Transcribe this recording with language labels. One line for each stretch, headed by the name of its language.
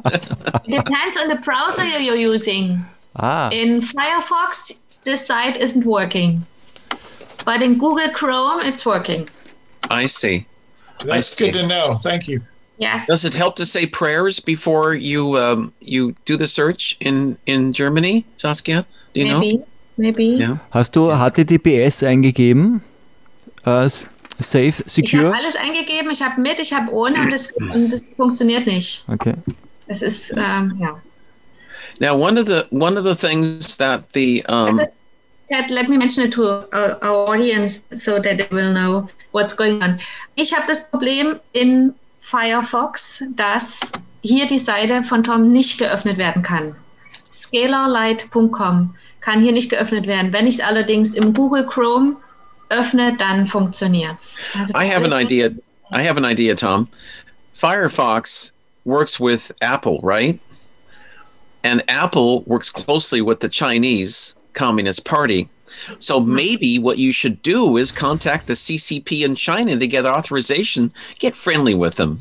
English: It depends on the browser you're using. In Firefox, this site isn't working. But in Google Chrome, it's working. I see. That's good to know. Thank you. Yes. Does it help to say prayers before you you do the search in Germany, Saskia? Do you Maybe. Yeah.
German: Hast du HTTPS eingegeben?
English: Safe, secure?
German: Ich habe alles eingegeben. Ich habe mit, ich habe ohne und das funktioniert nicht. Okay. Es ist,
English: Now, one of the things that the... Ted, let me mention it to our audience so that they will know what's going on.
German: Ich habe das Problem in Firefox, dass hier die Seite von Tom nicht geöffnet werden kann. Scalarlight.com kann hier nicht geöffnet werden. Wenn ich es allerdings im Google Chrome öffne, dann funktioniert es.
English: Also I have an idea, Tom. Firefox works with Apple, right? And Apple works closely with the Chinese Communist Party. So maybe what you should do is contact the CCP in China to get authorization, get friendly with them.